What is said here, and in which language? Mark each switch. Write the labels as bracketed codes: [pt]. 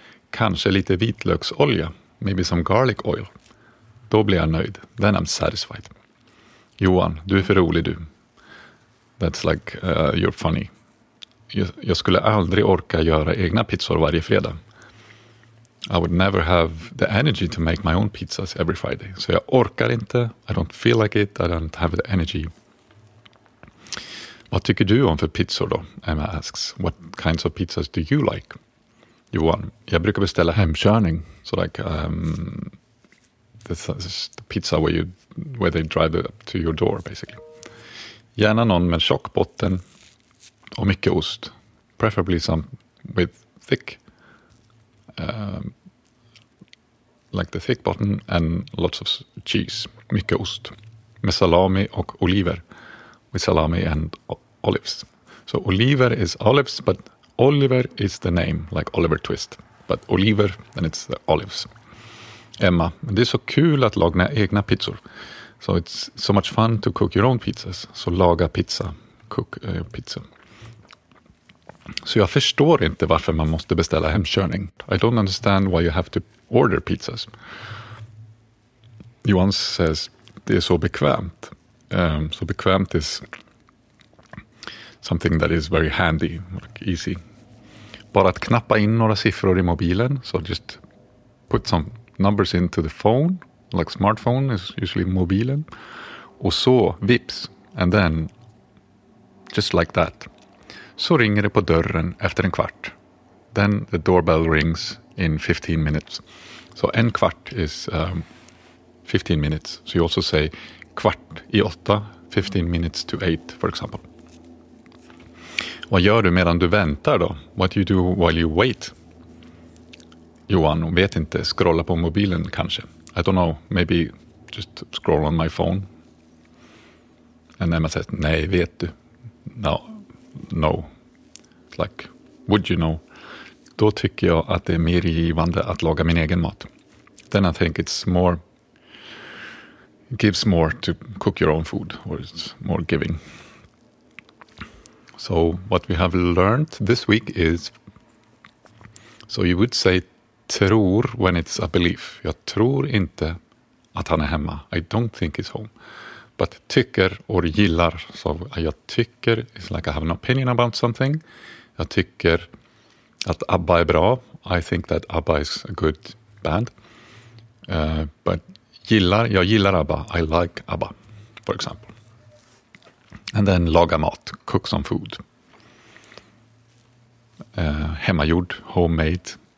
[sv] Kanske lite vitlöksolja, [en] maybe some garlic oil. [sv] Då blir jag nöjd. [en] Then I'm satisfied. [sv] Johan, du är för rolig du. [en] That's like, you're funny. [sv] Jag skulle aldrig orka göra egna pizzor varje fredag. [en] I would never have the energy to make my own pizzas every Friday. [sv] Så jag orkar inte. [en] I don't feel like it. I don't have the energy. [sv] Vad tycker du om för pizzor då? [en] Emma asks. What kinds of pizzas do you like? [sv] Johan, jag brukar beställa hemkörning. [en] So like the pizza where they drive it up to your door basically. [sv] Gärna någon med tjock botten och mycket ost. [en] Preferably some with thick, like the thick bottom and lots of cheese. [sv] Mycket ost. Med salami och oliver. [en] With salami and olives. So oliver is olives, but Oliver is the name, like Oliver Twist. But oliver, then it's the olives. [sv] Emma, det är så kul att laga egna pizzor. [en] So it's so much fun to cook your own pizzas. So laga pizza, cook pizza. [sv] Så jag förstår inte varför man måste beställa hemkörning. [en] I don't understand why you have to order pizzas. Johan says, [sv] det är så bekvämt. [en] Så bekvämt is something that is very handy, like easy. [sv] Bara att knappa in några siffror i mobilen. [en] So just put some numbers into the phone. Like smartphone is usually mobilen. [sv] Och så vips. [en] And then, just like that. [sv] Så ringer det på dörren efter en kvart. [en] Then the doorbell rings in 15 minutes. So en kvart is 15 minutes. So you also say [sv] kvart i åtta, [en] 15 minutes to eight, for example. [sv] Vad gör du medan du väntar då? [en] What you do while you wait? Johan, [sv] vet inte. Scrolla på mobilen kanske. [en] I don't know. Maybe just scroll on my phone. And Emma says, [sv] nej, vet du? [en] No. No. Like, would you know? [sv] Då tycker jag att det är mer givande att laga min egen mat. [en] Then I think it's more, gives more to cook your own food. Or it's more giving. So what we have learned this week is, so you would say tror when it's a belief. [sv] Jag tror inte att han är hemma. [en] I don't think he's home. But tycker or gillar. So jag tycker is like I have an opinion about something. [sv] Jag tycker att ABBA är bra. [en] I think that ABBA is a good band. But gillar, [sv] jag gillar ABBA. [en] I like ABBA, for example. And then laga mat, cook some food. Hemmagjord, homemade.